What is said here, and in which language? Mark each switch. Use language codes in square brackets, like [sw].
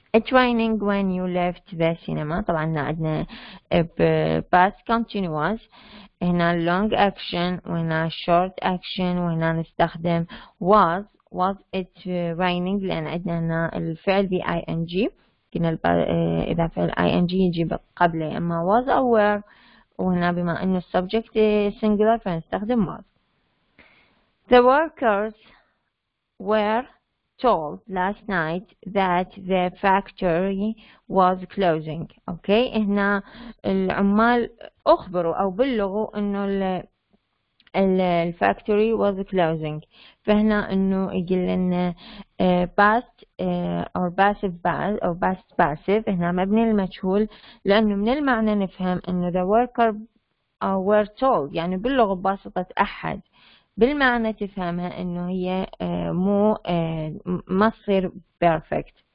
[en] Training when you left the cinema، [ar] طبعا عندنا [en] past continuous، هنا long action وهنا short action، [ar] وهنا نستخدم [en] was. Was it raining؟ [ar] لان عندنا هنا الفعل بي اي ان جي، كنا اذا فعل اي ان جي يجي قبله، اما was or were، وهنا بما انه السبجكت singular فنستخدم was. [en] The workers were told last night that the factory was closing. [ar] اوكي، هنا العمال اخبروا او بلغوا انه الفاكتوري [en] was closing، [ar] فهنا انه يقول لنا [en] past or passive past or past passive، [ar] هنا مبني المجهول لانه من المعنى نفهم انه [en] the worker were told، [ar] يعني باللغة بواسطة احد، بالمعنى تفهمها انه هي مو ما تصير perfect.